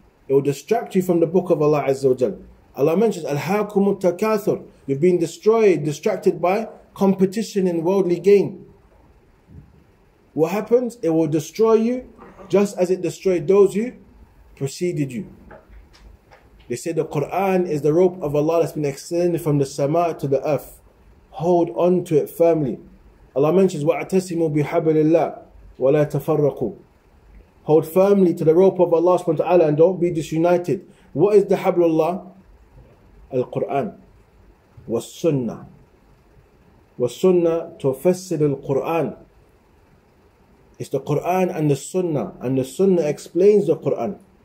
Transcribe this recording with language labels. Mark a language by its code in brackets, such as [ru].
[en] It will distract you from the book of Allah Azza wa Jal. Allah mentions, Al-Hakumu Takathur, you've been destroyed, distracted by competition and worldly gain. What happens? It will destroy you just as it destroyed those who preceded you. They say the Qur'an is the rope of Allah that's been extended from the sama to the earth. Hold on to it firmly. Allah mentions, [ar] وَعْتَسِمُوا بِحَبْلِ اللَّهِ وَلَا تَفَرَّقُوا. [en] Hold firmly to the rope of Allah subhanahu wa ta'ala and don't be disunited. What is the hablullah? Al-Qur'an. وَالسُنَّةِ. [ar] وَالسُنَّةِ تُفَسِّلِ الْقُرْآنِ. [en] It's the Qur'an and the sunnah. And the sunnah explains the Qur'an.